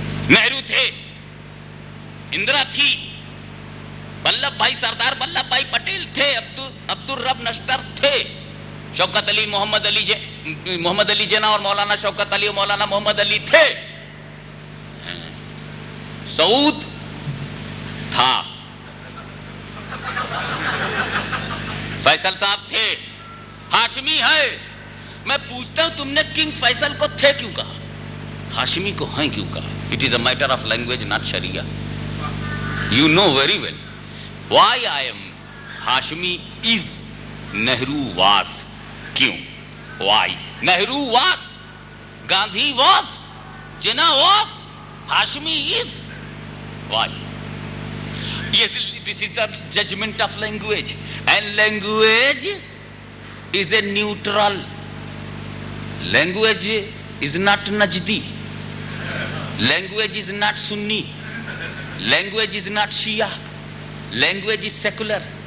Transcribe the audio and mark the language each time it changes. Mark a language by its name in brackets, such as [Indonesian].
[Urdu] نہرو تھے، اندرا تھی، بلب بھائی سردار بلب بھائی پٹیل تھے، عبد الرب نشتر تھے، شوکت علی، محمد علی جنا اور مولانا شوکت علی اور مولانا محمد علی تھے، سعود تھا، فیصل صاحب تھے، ہاشمی ہے. میں پوچھتا ہوں، تم نے کنگ فیصل کو تھے کیوں کہا، ہاشمی کو ہیں کیوں کہا؟ [English] It is a matter of language, not Sharia. You know very well why I am Hashmi is Nehru was. [Urdu] کیوں؟ [English] Why? Nehru was, Gandhi was, Jinnah was, Hashmi is, Why? Yes, this is the judgment of language. And language is a neutral. Language is not Najdi. Language is not Sunni. Language is not Shia. Language is secular.